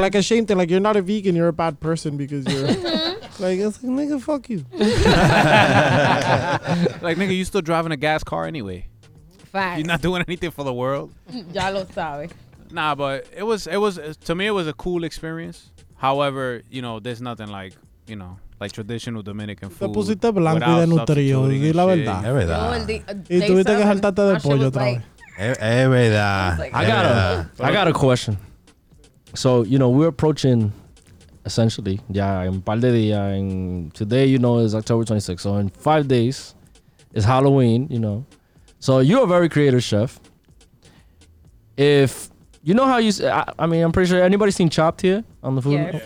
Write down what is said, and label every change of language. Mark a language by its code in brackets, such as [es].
[en] Like, you're not a vegan, you're a bad person because you're like, it's like, nigga, fuck you. Like, nigga, you still driving a gas car anyway. Facts. You're not doing anything for the world. [es] Ya lo sabe. [en] Nah, but it was to me, it was a cool experience. However, you know, there's nothing like, you know, like traditional Dominican food. [es] Te pusiste blanco y de nutrido, y la verdad. Es verdad. Y tuviste que saltarte de pollo otra vez. Es verdad. [en] I got a question. So, you know, we're approaching, essentially, yeah, [es] en par de días, [en] and today, you know, is October 26th. So in 5 days, it's Halloween, you know. So you're a very creative chef. If, you know how you, I mean, I'm pretty sure anybody's seen Chopped here on the food?